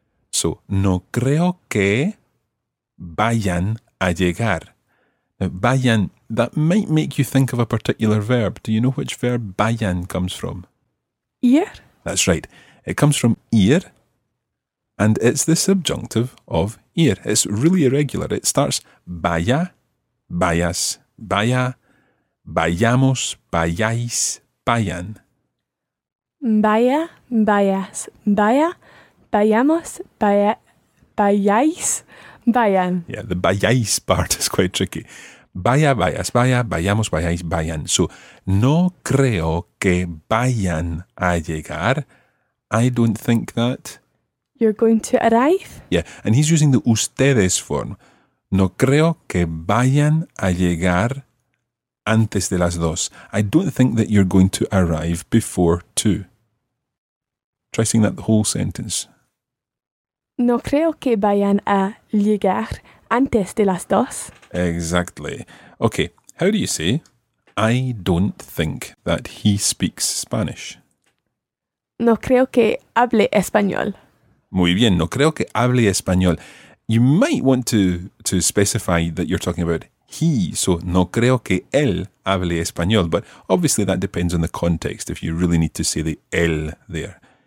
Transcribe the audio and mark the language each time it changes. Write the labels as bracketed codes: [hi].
[es] So no creo que vayan a llegar. [en] Now, vayan, that might make you think of a particular verb. Do you know which verb vayan comes from? [es] Ir. [en] That's right. It comes from ir, and it's the subjunctive of ir. It's really irregular. It starts [es] vaya, vayas, vaya, vayamos, vayáis, vayan. Vaya, vayas, vaya, vayamos, vayáis, vayan. [en] Yeah, the vayáis part is quite tricky. [es] Vaya, vayas, vaya, vayamos, vayáis, vayan. So, no creo que vayan a llegar. [en] I don't think that. You're going to arrive? Yeah, and he's using the ustedes form. [es] No creo que vayan a llegar antes de las dos. [en] I don't think that you're going to arrive before two. Try saying that the whole sentence. [es] No creo que vayan a llegar antes de las dos. [en] Exactly. Okay, how do you say, I don't think that he speaks Spanish? [es] No creo que hable español. Muy bien, no creo que hable español. [en] You might want to specify that you're talking about he, so [es] no creo que él hable español, [en] but obviously that depends on the context, if you really need to say the él there.